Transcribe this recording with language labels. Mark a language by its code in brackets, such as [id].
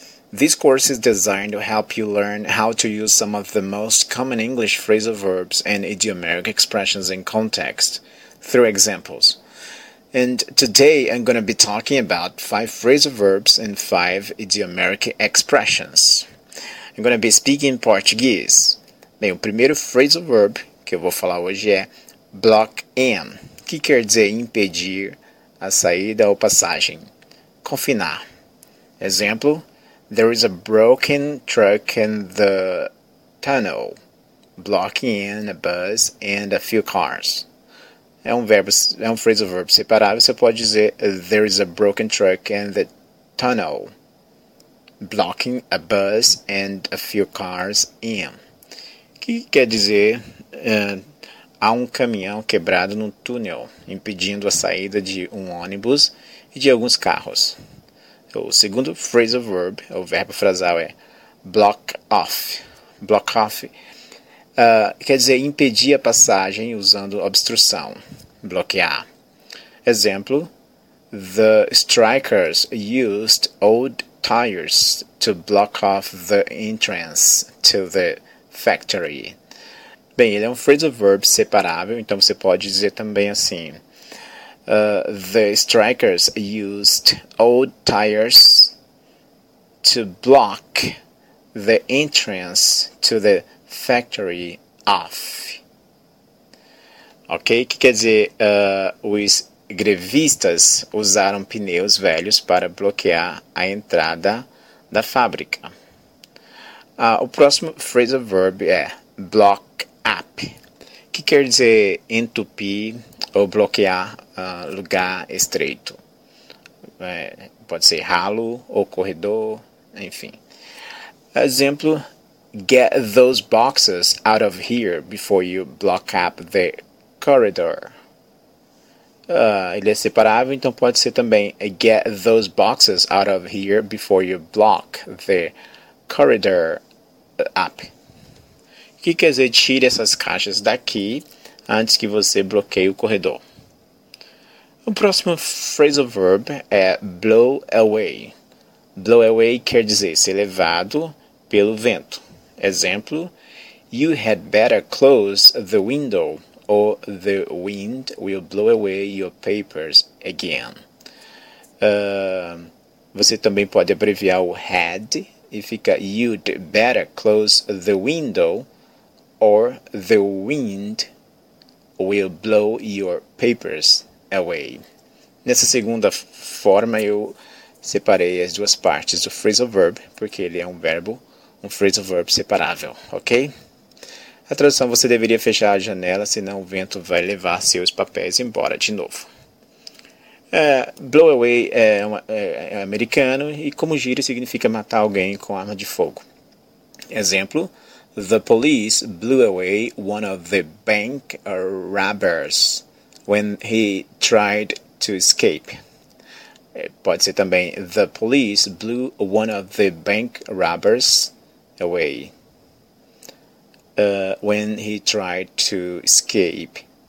[en] This course is designed to help you learn how to use some of the most common English phrasal verbs and idiomatic expressions in context through examples. And today I'm going to be talking about 5 phrasal verbs and 5 idiomatic expressions. I'm going to be speaking Portuguese. [pt] Bem, o primeiro phrasal verb que eu vou falar hoje é block in, que quer dizer impedir a saída ou passagem, confinar. [en] Exemplo, there is a broken truck in the tunnel, blocking in a bus and a few cars. [pt] É um phrasal verb separado, você pode dizer [en] there is a broken truck in the tunnel, blocking a bus and a few cars in. [pt] Que quer dizer, há um caminhão quebrado no túnel, impedindo a saída de um ônibus e de alguns carros. O segundo phrasal verb, o verbo frasal é block off. Block off quer dizer impedir a passagem usando obstrução, bloquear. [en] Exemplo, the strikers used old tires to block off the entrance to the factory. [pt] Bem, ele é um phrasal verb separável, então você pode dizer também assim. [en] The strikers used old tires to block the entrance to the factory off. [pt] Ok? O que quer dizer? Os grevistas usaram pneus velhos para bloquear a entrada da fábrica. O próximo phrasal verb é block up, que quer dizer entupir ou bloquear lugar estreito. Pode ser ralo ou corredor, enfim. [en] Exemplo, get those boxes out of here before you block up the corridor. [pt] Ele é separável, então pode ser também [en] get those boxes out of here before you block the corridor up. [pt] O que quer dizer tire essas caixas daqui antes que você bloqueie o corredor? O próximo phrasal verb é blow away. Blow away quer dizer ser levado pelo vento. [en] Exemplo, you had better close the window or the wind will blow away your papers again. [pt] Você também pode abreviar o had e fica [en] you'd better close the window or the wind will blow your papers away. [pt] Nessa segunda forma, eu separei as duas partes do phrasal verb, porque ele é um verbo, um phrasal verb separável, ok? A tradução, você deveria fechar a janela, senão o vento vai levar seus papéis embora de novo. Blow away é americano, e como gira, significa matar alguém com arma de fogo. [en] Exemplo, the police blew away one of the bank robbers when he tried to escape. [pt] Pode ser também, [en] the police blew one of the bank robbers away when he tried to escape.